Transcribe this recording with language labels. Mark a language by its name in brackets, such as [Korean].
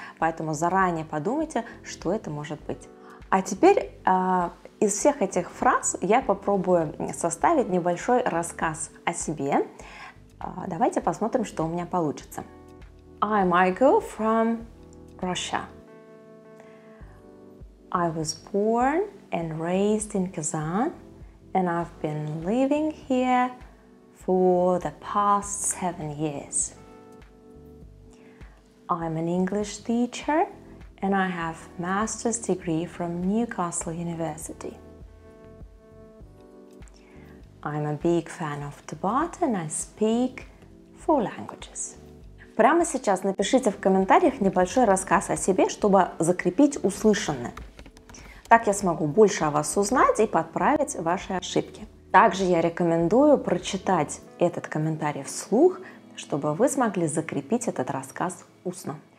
[Russian] Поэтому заранее подумайте, что это может быть. А теперь из всех этих фраз я попробую составить небольшой рассказ о себе. Давайте посмотрим, что у меня получится. [English] I migrated from Russia. I was born and raised in Kazan, and I've been living here for the past 7 years. I'm an English teacher. And I have a master's degree from Newcastle University. I'm a big fan of Tabata and I speak 4 languages. [Russian] Прямо сейчас напишите в комментариях небольшой рассказ о себе, чтобы закрепить услышанное. Так я смогу больше о вас узнать и подправить ваши ошибки. Также я рекомендую прочитать этот комментарий вслух, чтобы вы смогли закрепить этот рассказ устно.